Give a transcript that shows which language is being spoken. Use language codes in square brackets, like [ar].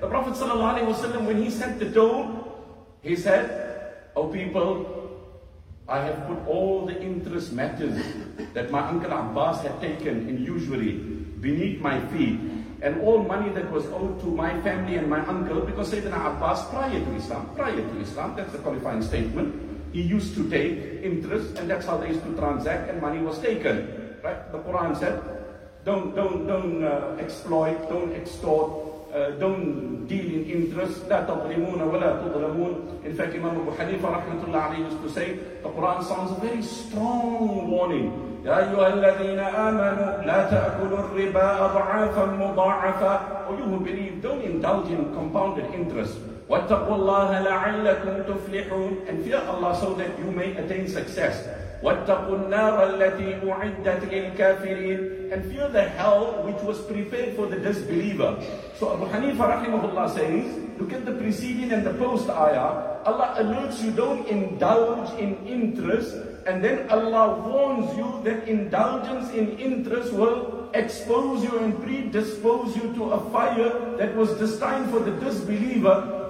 [en] The Prophet sallallahu alaihi wasallam, when he set the tone, he said, oh people, I have put all the interest matters that my uncle Abbas had taken in usury beneath my feet, and all money that was owed to my family and my uncle, because Sayyidina Abbas, prior to Islam, that's the qualifying statement, he used to take interest and that's how they used to transact and money was taken. Right? The Quran said, Don't exploit, don't extort, don't deal in interest. [ar] لا تظلمون ولا تظلمون. [en] In fact, Imam Abu Hanifa rahmatullah alayhi used to say, the Quran sounds a very strong warning. [ar] يا أيها الذين آمنوا لا تأكلوا الربا أضعافا مضاعفا. [en] Oh, you who believe, don't indulge in compounded interest. [ar] واتقوا الله لعلكم تفلحون. [en] And fear Allah so that you may attain success. [ar] واتقوا النار التي أعدت للكافرين. [en] And fear the hell which was prepared for the disbeliever. So Abu Hanifa rahimahullah says, look at the preceding and the post ayah. Allah alerts you, don't indulge in interest. And then Allah warns you that indulgence in interest will expose you and predispose you to a fire that was destined for the disbeliever.